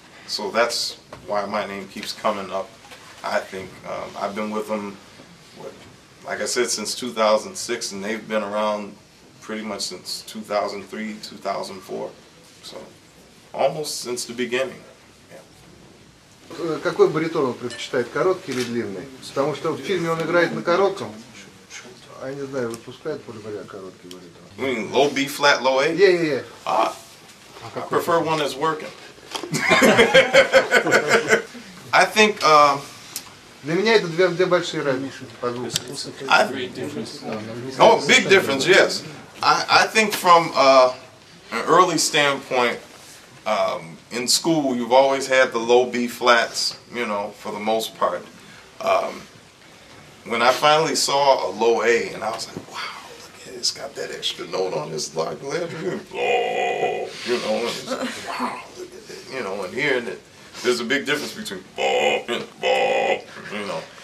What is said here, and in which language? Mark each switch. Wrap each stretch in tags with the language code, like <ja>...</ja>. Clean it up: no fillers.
<en>So that's why my name keeps coming up, I think. I've been with them, like I said, since 2006, and they've been around pretty much since 2003, 2004. So, almost since the beginning. Yeah.</en> <ru>Какой баритон он предпочитает, короткий или длинный? Потому что в фильме он играет на коротком. А я не знаю, выпускает поле говоря короткий баритон.</ru> <en>You mean low B flat, low A? Yeah, yeah, yeah. I prefer one that's working. I think</en> <ru>для меня это две большие разницы по звуку.</ru> <en>Oh, big difference, yes. I think from an early standpoint, in school, you've always had the low B flats, you know, for the most part. When I finally saw a low A, and I was like, wow, look at it, it's got that extra note on this lock letter, you know, and it's like, wow, look at it, you know, and hearing it, there's a big difference between, you know,</en>